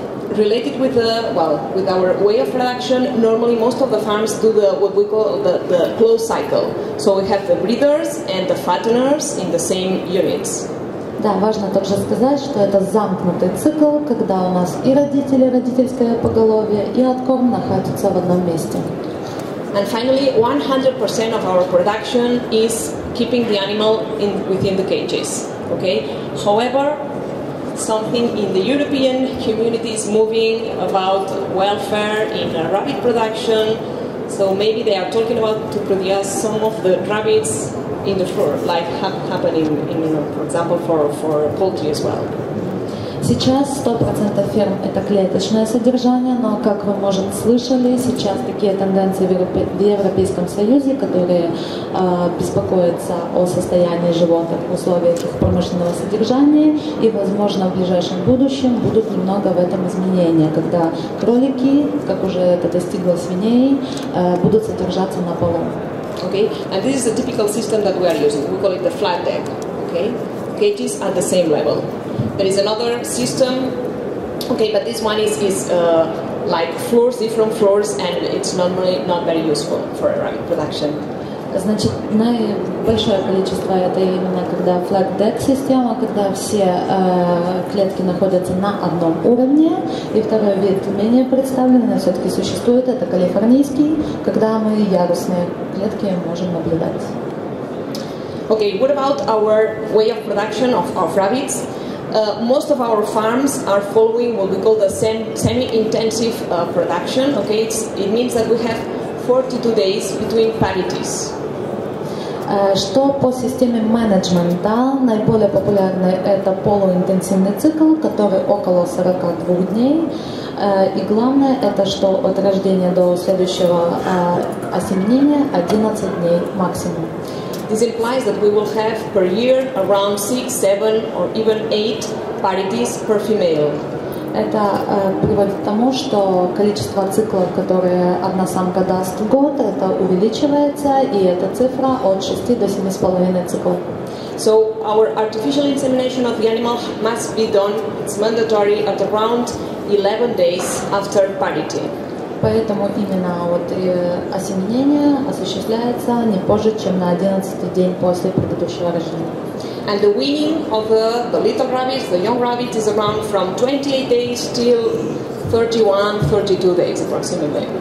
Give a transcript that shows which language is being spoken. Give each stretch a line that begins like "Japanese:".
English: Related with the with our way of production, normally most of the farms do the what we call the closed cycle. So we have the breeders and the fatteners in the same units.
Russian: Да, важно также сказать, что это замкнутый цикл, когда у нас и родители, родительское поголовье, и откорм находятся в одном месте.
English: And finally, 100% of our production is keeping the animal in within the cages. Okay. However, something in the European community is moving about welfare in rabbit production, so maybe they are talking about to produce some of the rabbits in the fur, like happening in, you know, for example, for poultry as well.
Russian: Сейчас 100% ферм – это клеточное содержание, но, как вы, может, слышали, сейчас такие тенденции в Европейском Союзе, которые беспокоятся о состоянии животных, условиях их промышленного содержания, и, возможно, в ближайшем будущем будут немного в этом изменения, когда кролики, как уже это достигло свиней, будут содержаться на полу.
English: Okay, and this is a typical system that we are using. We call it the flat deck, okay? Cages at the same level. There is another system, okay, but this one is like floors, different floors, and it's normally not very useful for rabbit production.
Russian: Значит, наибольшее количество это именно когда flat deck система, когда все клетки находятся на одном уровне. И второй вид менее представлен, но все-таки существует, это калифорнийский, когда мы ярусные клетки можем наблюдать.
English: Okay, what about our way of production of rabbits? Most of our farms are following what we call the semi-intensive production. Okay, it means that we have 42 days between parities.
Russian: Что по системе менеджмента наиболее популярный это полуинтенсивный цикл, который около 42 дней. И главное это что от рождения до следующего осеменения 11 дней максимум.
English: This implies that we will have per year around 6, 7 or even 8 parities per female.
Russian: Это приводит к тому, что количество циклов, которые одна самка даст в год, это увеличивается, и эта цифра от 6 до 7.5 циклов.
English: So our artificial insemination of the animal must be done, it's mandatory at around 11 days after parity.
Russian: Поэтому именно вот осеменение осуществляется не позже, чем на 11 день после предыдущего рождения.
English: And the weaning of the little rabbits, the young rabbit, is around from 28 days till 31-32 days approximately.